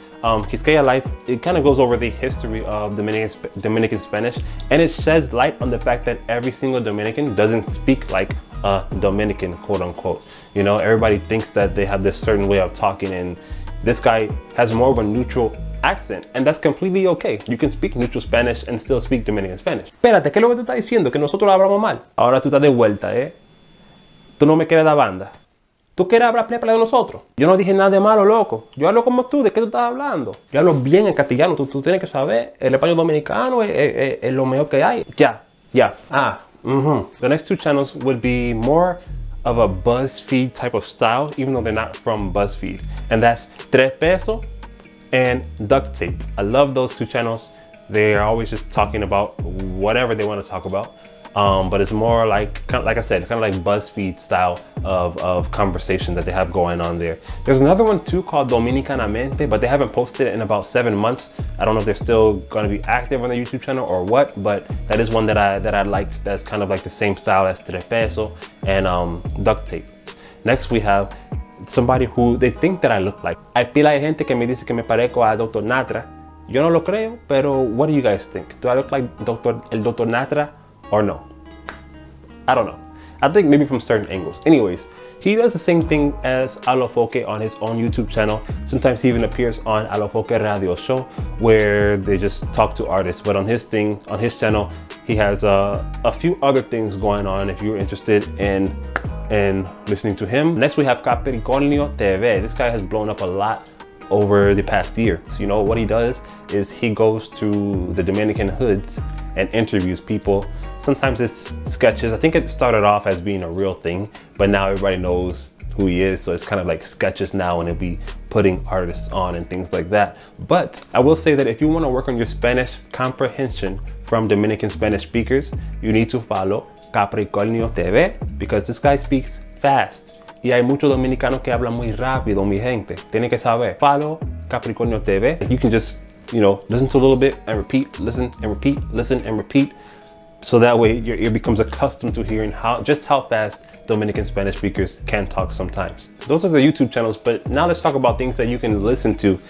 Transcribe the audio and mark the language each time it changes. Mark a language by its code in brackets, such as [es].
[en] Quisqueya Life, it kind of goes over the history of Dominican Spanish, and it sheds light on the fact that every single Dominican doesn't speak like a Dominican, quote unquote. You know, everybody thinks that they have this certain way of talking, and this guy has more of a neutral accent, and that's completely okay. You can speak neutral Spanish and still speak Dominican Spanish. [es] Espérate, ¿qué es lo que tú estás diciendo? Que nosotros hablamos mal. Ahora tú estás de vuelta, ¿eh? Tú no me quieres dar banda. ¿Tú quieres hablar plepa de nosotros? Yo no dije nada de malo, loco. Yo hablo como tú, ¿de qué tú estás hablando? Yo hablo bien en castellano, tú tienes que saber. El español dominicano es lo mejor que hay. [en] The next two channels would be more of a BuzzFeed type of style, even though they're not from BuzzFeed. And that's Tres Pesos and Duct Tape. I love those two channels. They are always just talking about whatever they want to talk about. But it's more like, kind of like BuzzFeed style of conversation that they have going on there. There's another one too called Dominicanamente, but they haven't posted it in about 7 months. I don't know if they're still going to be active on their YouTube channel or what, but that is one that I liked. That's kind of like the same style as Tres Pesos and Duct Tape. Next we have somebody who they think that I look like. [es] Hay pila de gente que me dice que me parezco a Dr. [en] Natra. [es] Yo no lo creo, pero [en] what do you guys think? Do I look like el Dr. Natra? Or no? I don't know. I think maybe from certain angles. Anyways, he does the same thing as Alofoke on his own YouTube channel. Sometimes he even appears on Alofoke Radio Show, where they just talk to artists. But on his thing, on his channel, he has a few other things going on if you're interested in listening to him. Next, we have Capricornio TV. This guy has blown up a lot over the past year. So you know what he does is he goes to the Dominican hoods and interviews people. Sometimes it's sketches. I think it started off as being a real thing, but now everybody knows who he is, so it's kind of like sketches now, and it'll be putting artists on and things like that. But I will say that if you want to work on your Spanish comprehension from Dominican Spanish speakers, you need to follow Capricornio TV, because this guy speaks fast. [es] Y hay muchos dominicanos que hablan muy rápido, mi gente. Tiene que saber. [en] Follow Capricornio TV. You can just, you know, listen to a little bit and repeat, listen and repeat, listen and repeat. So that way your ear becomes accustomed to hearing how fast Dominican Spanish speakers can talk sometimes. Those are the YouTube channels, but now let's talk about things that you can listen to.